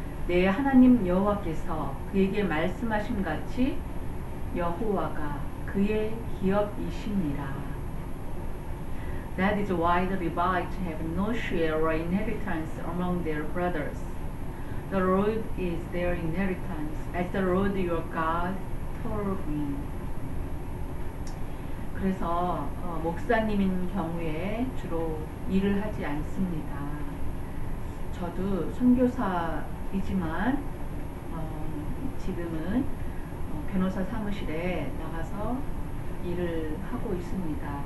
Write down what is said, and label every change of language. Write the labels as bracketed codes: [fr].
[ko] 내 하나님 여호와께서 그에게 말씀하신 같이 여호와가 그의 기업이십니다. [en] That is why the Levites have no share or inheritance among their brothers. The Lord is their inheritance, as the Lord your God told me. [ko] 그래서 목사님인 경우에 주로 일을 하지 않습니다. 저도 선교사이지만 지금은 변호사 사무실에 나가서 일을 하고 있습니다.